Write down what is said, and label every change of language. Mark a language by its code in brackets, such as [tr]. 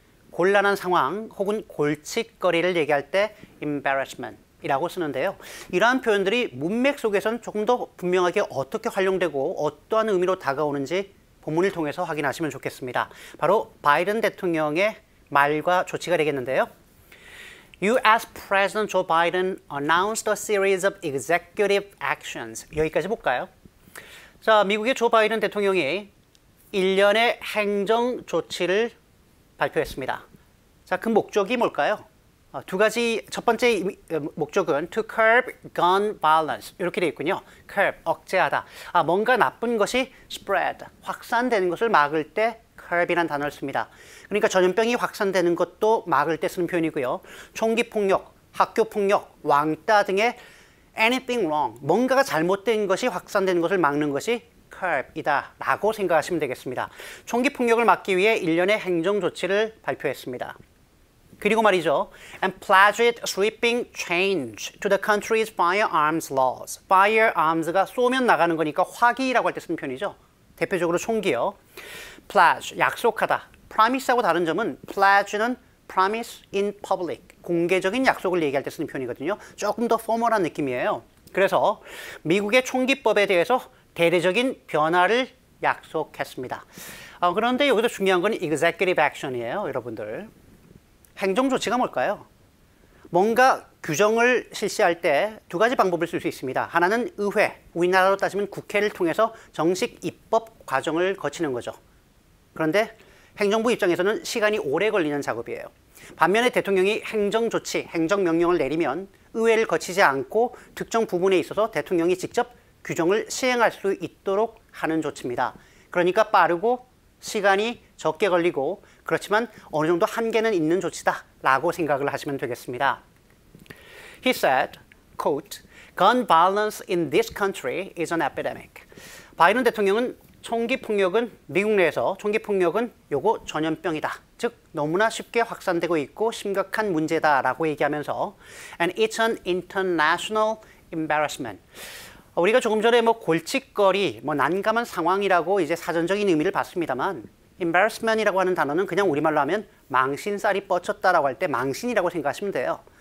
[ko] 곤란한 상황 혹은 골칫거리를 얘기할 때 embarrassment 이라고 쓰는데요. 이러한 표현들이 문맥 속에선 조금 더 분명하게 어떻게 활용되고 어떠한 의미로 다가오는지 본문을 통해서 확인하시면 좋겠습니다. 바로 바이든 대통령의 말과 조치가 되겠는데요. [en] U.S. President Joe Biden announced a series of executive actions. [ko] 여기까지 볼까요? 자, 미국의 조 바이든 대통령이 일련의 행정 조치를 발표했습니다. 자, 그 목적이 뭘까요? 두 가지, 첫 번째 목적은 [en] to curb gun violence [ko] 이렇게 되어 있군요. curb, 억제하다. 아, 뭔가 나쁜 것이 spread, 확산되는 것을 막을 때 curb이라는 단어를 씁니다. 그러니까 전염병이 확산되는 것도 막을 때 쓰는 표현이고요. 총기폭력, 학교폭력, 왕따 등의 [en] anything wrong, [ko] 뭔가가 잘못된 것이 확산되는 것을 막는 것이 curb이다 라고 생각하시면 되겠습니다. 총기폭력을 막기 위해 일련의 행정조치를 발표했습니다. 그리고 말이죠. [en] And pledged sweeping change to the country's firearms laws. [ko] Firearms가 쏘면 나가는 거니까 화기라고 할때 쓰는 표현이죠. 대표적으로 총기요. Pledge, 약속하다. Promise하고 다른 점은 pledge는 [en] promise in public, [ko] 공개적인 약속을 얘기할 때 쓰는 표현이거든요. 조금 더 포멀한 느낌이에요. 그래서 미국의 총기법에 대해서 대대적인 변화를 약속했습니다. 그런데 여기서 중요한 건 executive action이에요, 여러분들. 행정조치가 뭘까요? 뭔가 규정을 실시할 때 두 가지 방법을 쓸 수 있습니다. 하나는 의회, 우리나라로 따지면 국회를 통해서 정식 입법 과정을 거치는 거죠. 그런데 행정부 입장에서는 시간이 오래 걸리는 작업이에요. 반면에 대통령이 행정조치, 행정명령을 내리면 의회를 거치지 않고 특정 부분에 있어서 대통령이 직접 규정을 시행할 수 있도록 하는 조치입니다. 그러니까 빠르고 시간이 적게 걸리고 그렇지만 어느 정도 한계는 있는 조치다라고 생각을 하시면 되겠습니다. [en] He said, quote, "Gun violence in this country is an epidemic." [ko] 바이든 대통령은 총기 폭력은 미국 내에서 총기 폭력은 요거 전염병이다 즉 너무나 쉽게 확산되고 있고 심각한 문제다라고 얘기하면서 [en] and it's an international embarrassment. [ko] 우리가 조금 전에 뭐 골칫거리, 뭐 난감한 상황이라고 이제 사전적인 의미를 봤습니다만 embarrassment이라고 하는 단어는 그냥 우리말로 하면 망신살이 뻗쳤다라고 할 때 망신이라고 생각하시면 돼요.